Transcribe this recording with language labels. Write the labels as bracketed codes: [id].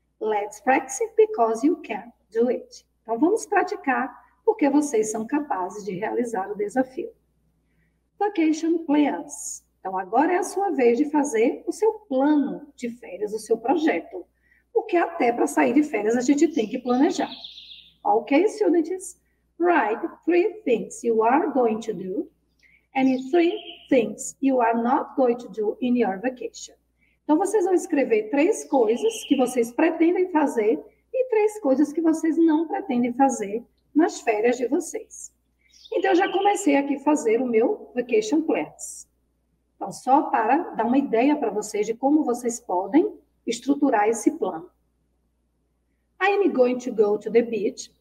[en] Let's practice because you can do it. [pt] Então vamos praticar porque vocês são capazes de realizar o desafio. Vacation plans. Então agora é a sua vez de fazer o seu plano de férias, o seu projeto. Porque até para sair de férias a gente tem que planejar. [en] Ok, students? Write 3 things you are going to do and 3 things you are not going to do in your vacation. [pt] Então vocês vão escrever 3 coisas que vocês pretendem fazer e 3 coisas que vocês não pretendem fazer nas férias de vocês. Então eu já comecei aqui a fazer o meu vacation plans. Então só para dar uma ideia para vocês de como vocês podem estruturar esse plano. [en] I am going to go to the beach.